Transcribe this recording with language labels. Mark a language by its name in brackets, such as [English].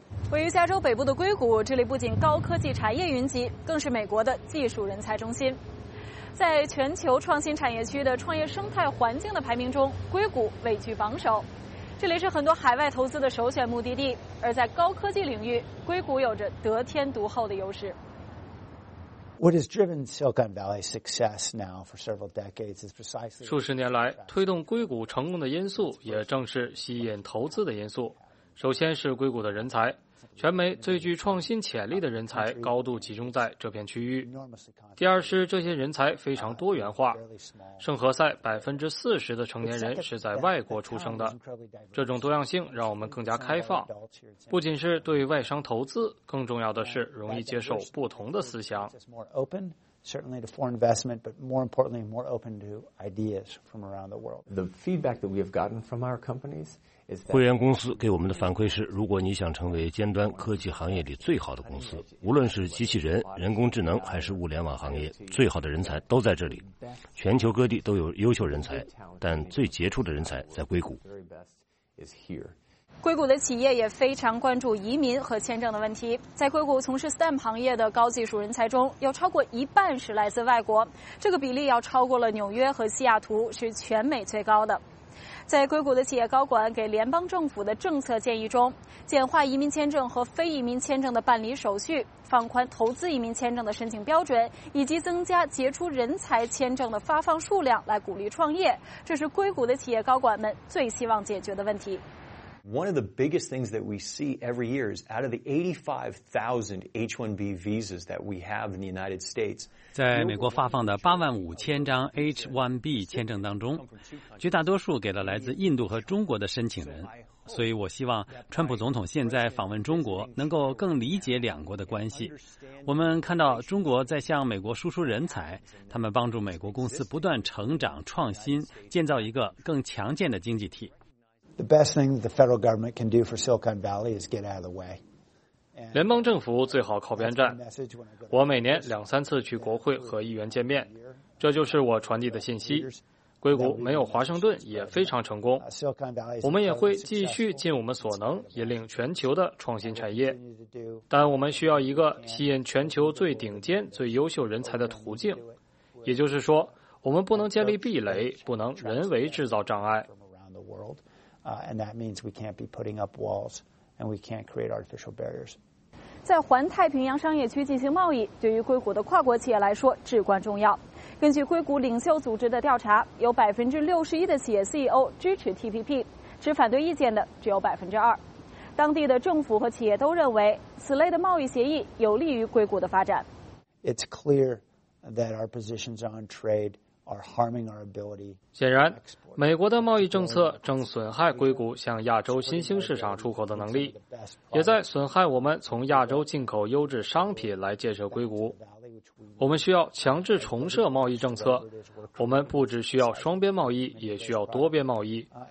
[Chinese] 位于加州北部的硅谷，这里不仅高科技产业云集，更是美国的技术人才中心。在全球创新产业区的创业生态环境的排名中，硅谷位居榜首。这里是很多海外投资的首选目的地，而在高科技领域，硅谷有着得天独厚的优势。 [English] What has driven Silicon Valley's success now for several decades is precisely [Chinese] 数十年来推动硅谷成功的因素，也正是吸引投资的因素。首先是硅谷的人才。全美最具创新潜力的人才高度集中在这片区域。第二是这些人才非常多元化。圣何塞 40% 的成年人是在外国出生的。这种多样性让我们更加开放。不仅是对外商投资，更重要的是容易接受不同的思想。 [English] Certainly to foreign investment, but more importantly, more open to ideas from around the world. The feedback that we have gotten from our companies is that [Chinese] 会员公司给我们的反馈是，如果你想成为尖端科技行业里最好的公司，无论是机器人、人工智能还是物联网行业，最好的人才都在这里。全球各地都有优秀人才，但最杰出的人才在硅谷。硅谷的企业也非常关注移民和签证的问题。在硅谷从事 STEM 行业的高技术人才中，有超过一半是来自外国，这个比例要超过了纽约和西雅图，是全美最高的。在硅谷的企业高管给联邦政府的政策建议中，简化移民签证和非移民签证的办理手续，放宽投资移民签证的申请标准，以及增加杰出人才签证的发放数量来鼓励创业，这是硅谷的企业高管们最希望解决的问题。 [English] One of the biggest things that we see every year is out of the 85,000 H-1B visas that we have in the United States. [Chinese] 在美国发放的85,000张 H-1B 签证当中，绝大多数给了来自印度和中国的申请人。所以我希望川普总统现在访问中国能够更理解两国的关系。我们看到中国在向美国输出人才，他们帮助美国公司不断成长、创新，建造一个更强健的经济体。 [English] The best thing the federal government can do for Silicon Valley is get out of the way. [Chinese] 联邦政府最好靠边站。我每年两三次去国会和议员见面，这就是我传递的信息。硅谷没有华盛顿也非常成功。我们也会继续尽我们所能引领全球的创新产业，但我们需要一个吸引全球最顶尖、最优秀人才的途径。也就是说，我们不能建立壁垒，不能人为制造障碍。 [English] And that means we can't be putting up walls, and we can't create artificial barriers. [Chinese] 在环太平洋商业区进行贸易，对于硅谷的跨国企业来说至关重要。根据硅谷领袖组织的调查，有61%的企业 CEO 支持 TPP， 持反对意见的只有2%。当地的政府和企业都认为，此类的贸易协议有利于硅谷的发展。 [English] It's clear that our positions on trade. [Chinese] 显然，美国的贸易政策正损害硅谷向亚洲新兴市场出口的能力，也在损害我们从亚洲进口优质商品来建设硅谷。我们需要强制重设贸易政策。我们不只需要双边贸易，也需要多边贸易。